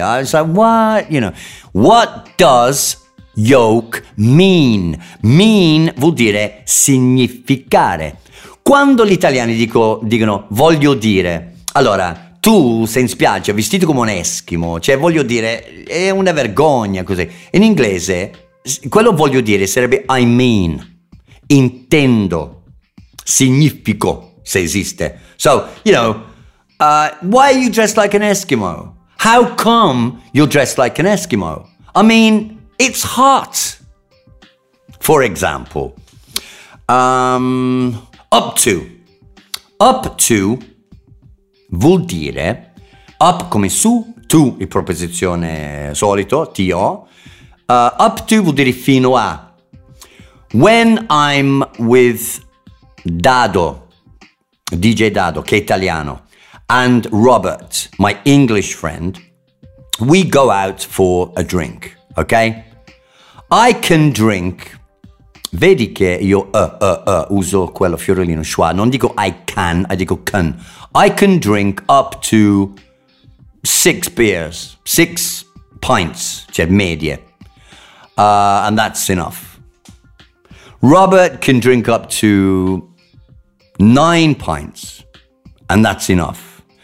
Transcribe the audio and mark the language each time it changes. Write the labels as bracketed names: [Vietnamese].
[English] I say, what, you know, what does yolk mean? [Italian] Mean vuol dire significare. Quando gli italiani dicono voglio dire, allora tu sei in spiaggia vestito come un eschimo, cioè voglio dire, è una vergogna così. In inglese, quello voglio dire sarebbe [English] I mean, [Italian] intendo, significo, se esiste. [English] So, you know, why are you dressed like an Eskimo? How come you're dressed like an Eskimo? I mean, it's hot. For example, up to. [Italian] Up to vuol dire up come su, to in proposizione solito, T-O. [English] Up to [Italian] vuol dire fino a. [English] When I'm with Dado, DJ Dado, [Italian] che è italiano, [English] and Robert, my English friend, we go out for a drink, ok? I can drink. [Italian] Vedi che io uso quello fiorellino schwa, non dico [English] I can, [Italian] I dico can. [English] I can drink up to 6 beers, 6 pints, [Italian] cioè medie, [English] and that's enough. Robert can drink up to 9 pints, and that's enough.